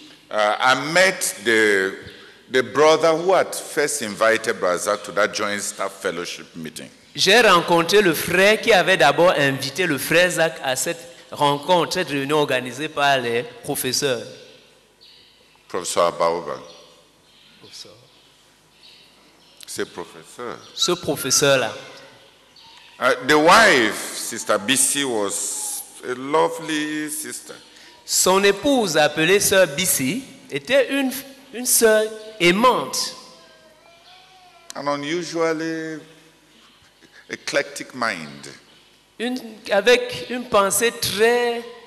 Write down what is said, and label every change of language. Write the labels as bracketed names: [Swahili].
[English] I met the brother who had first invited Brazak to that joint staff fellowship meeting. [French] J'ai rencontré le frère qui avait d'abord invité le frère Zach à cette rencontre, cette réunion organisée par les professeurs. Professeur Abaoba. Ce professeur. Ce professeur-là. [English] The wife, Sister BC, was a lovely sister. [French] Son épouse, appelée Sœur BC, était une sœur aimante. [English] An unusually eclectic mind. [French] Avec une pensée très